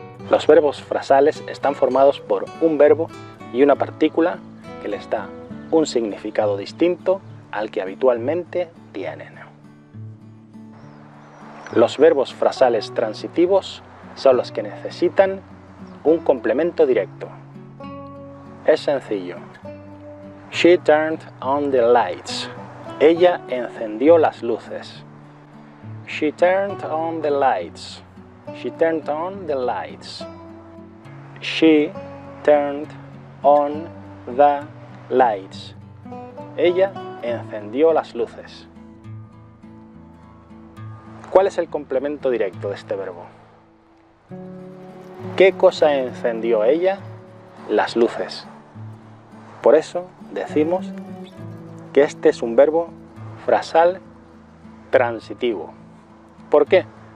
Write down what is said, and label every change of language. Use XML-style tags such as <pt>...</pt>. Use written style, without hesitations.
<es>Los verbos frasales están formados por un verbo y una partícula que les da un significado distinto al que habitualmente tienen. Los verbos frasales transitivos son los que necesitan un complemento directo. Es sencillo.</es> <en>She turned on the lights.</en> <es>Ella encendió las luces.</es> <en>She turned on the lights. She turned on the lights. She turned on the lights.</en> <es>Ella encendió las luces. ¿Cuál es el complemento directo de este verbo? ¿Qué cosa encendió ella? Las luces. Por eso decimos que este es un verbo frasal transitivo. ¿Por qué?</es>